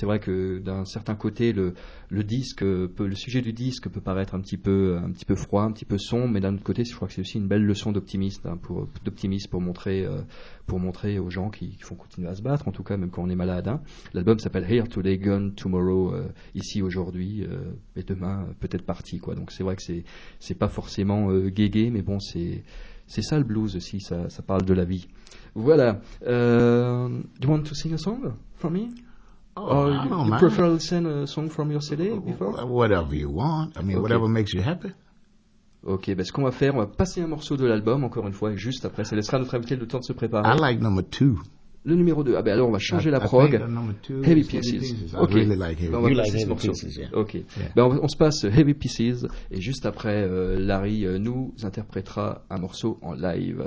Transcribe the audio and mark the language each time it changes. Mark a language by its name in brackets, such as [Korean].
[French] C'est vrai que d'un certain côté le sujet du disque peut paraître un petit peu froid, un petit peu sombre, mais d'un autre côté je crois que c'est aussi une belle leçon d'optimisme pour montrer aux gens qu'il faut continuer à se battre, en tout cas même quand on est malade, hein. L'album s'appelle Here Today, Gone Tomorrow, ici aujourd'hui et demain peut-être parti, quoi. Donc c'est vrai que c'est pas forcément guégué, mais bon, c'est ça le blues aussi, ça parle de la vie. Voilà. [English] Do you want to sing a song for me? Oh, or I don't you mind. Prefer to sing a song from your CD before? Whatever you want. I mean, whatever makes you happy. [French] Ok, ben ce qu'on va faire, on va passer un morceau de l'album, encore une fois, et juste après, ça laissera notre invité le temps de se préparer. [English] I like number two. [French] Le numéro 2. Ah ben alors on va changer la prog. [English] Heavy Pieces. Ok. Really like heavy. [French] Ben on va passer like ce morceau. Yeah. Ok. Yeah. Ben on se passe Heavy Pieces et juste après, Larry nous interprétera un morceau en live.